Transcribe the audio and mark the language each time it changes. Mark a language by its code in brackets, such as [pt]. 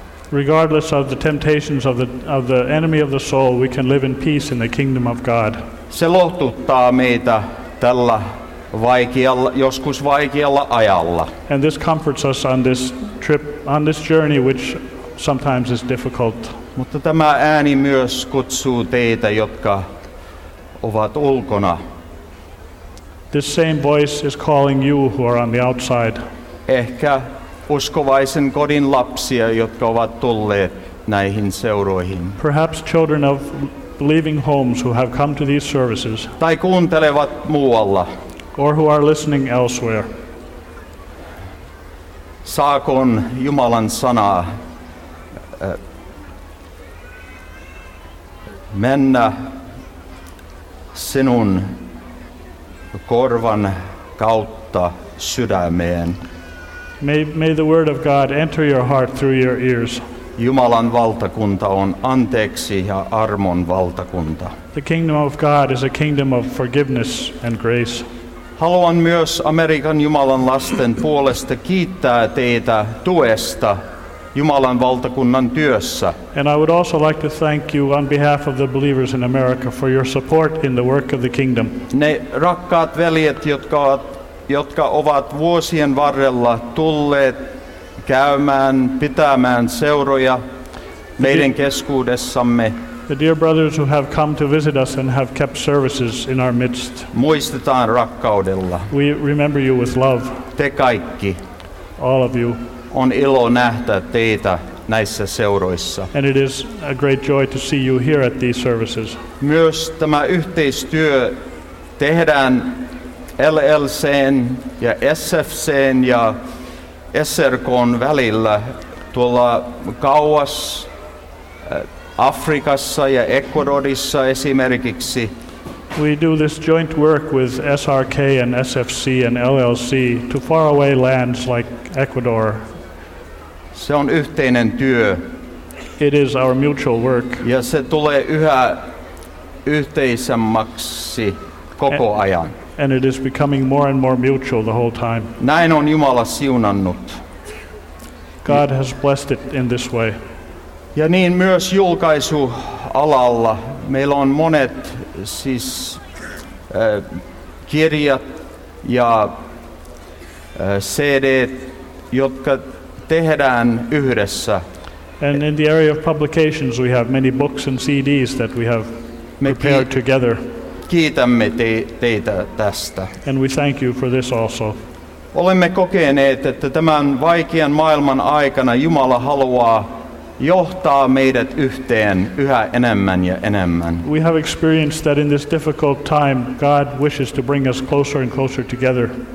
[en] Regardless of the temptations of the enemy of the soul, we can live in peace in the kingdom of God. [fi] Se lohduttaa meitä tällä vaikealla, joskus vaikealla ajalla. [en] And this comforts us on this trip, on this journey, which sometimes is difficult. [fi] Mutta tämä ääni myös kutsuu teitä, jotka ovat ulkona. [en] This same voice is calling you who are on the outside. [fi] Ehkä uskovaisen kodin lapsia, jotka ovat tulleet näihin seuroihin. [en] Perhaps children of believing homes who have come to these services. [fi] Tai kuuntelevat muualla. [en] Or who are listening elsewhere. [fi] Saakoon Jumalan sanaa mennä sinun korvan kautta sydämeen. [en] May the word of God enter your heart through your ears. [fi] Jumalan valtakunta on anteeksi ja armon valtakunta. [en] The kingdom of God is a kingdom of forgiveness and grace. [fi] Haluan myös Amerikan Jumalan lasten puolesta kiittää teitä tuesta Jumalan valtakunnan työssä. [en] And I would also like to thank you on behalf of the believers in America for your support in the work of the kingdom. [fi] Ne rakkaat veljet, jotka ovat vuosien varrella tulleet käymään, pitämään seuroja meidän keskuudessamme. [en] The dear brothers who have come to visit us and have kept services in our midst. [fi] Muistetaan rakkaudella. [en] We remember you with love. [fi] Te kaikki. [en] All of you. [fi] On ilo nähdä teitä näissä seuroissa. [en] And it is a great joy to see you here at these services. [fi] Myös tämä yhteistyö tehdään LLC:n ja SFC:n ja SRK:n välillä tuolla kauas Afrikassa ja Ecuadorissa esimerkiksi. [en] We do this joint work with SRK and SFC and LLC to faraway lands like Ecuador. [fi] Se on yhteinen työ. [en] It is our mutual work. [fi] Ja se tulee yhä yhteisemmäksi koko ajan. [en] And it is becoming more and more mutual the whole time. [fi] Näin on Jumala siunannut. [en] God has blessed it in this way. [fi] Ja niin myös julkaisualalla meillä on monet siis kirjat ja CD:t, jotka tehdään yhdessä. [en] And in the area of publications we have many books and CDs that we have prepared together. [fi] Kiitämme teitä tästä. [en] And we thank you for this also. [fi] Olemme kokeneet, että tämän vaikean maailman aikana Jumala haluaa johtaa meidät yhteen yhä enemmän ja enemmän. [en] We have experienced that in this difficult time God wishes to bring us closer and closer together.